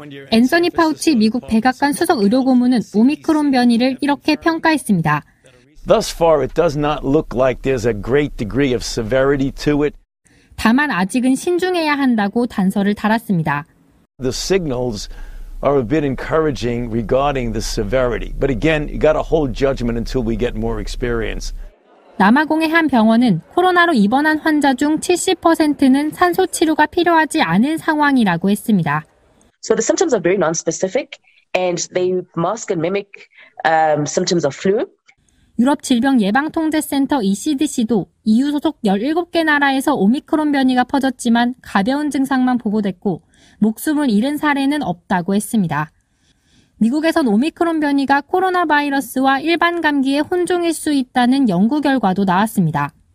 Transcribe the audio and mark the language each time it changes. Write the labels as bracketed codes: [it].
[ko] 앤서니 파우치 미국 백악관 수석 의료고문은 오미크론 변이를 이렇게 평가했습니다. [en] Thus far it does not look like there's a great degree of severity to it. [ko] 다만 아직은 신중해야 한다고 단서를 달았습니다. [en] The signals are a bit encouraging regarding the severity. But again, you got to hold judgment until we get more experience. [ko] 남아공의 한 병원은 코로나로 입원한 환자 중 70%는 산소 치료가 필요하지 않은 상황이라고 했습니다. [en] So the symptoms are very non-specific and they mask and mimic symptoms of flu. [ko] 유럽 질병예방통제센터 ECDC도 EU 소속 17개 나라에서 오미크론 변이가 퍼졌지만 가벼운 증상만 보고됐고 목숨을 잃은 사례는 없다고 했습니다. 미국에선 오미크론 변이가 코로나 바이러스와 일반 감기에 혼종일 수 있다는 연구 결과도 나왔습니다.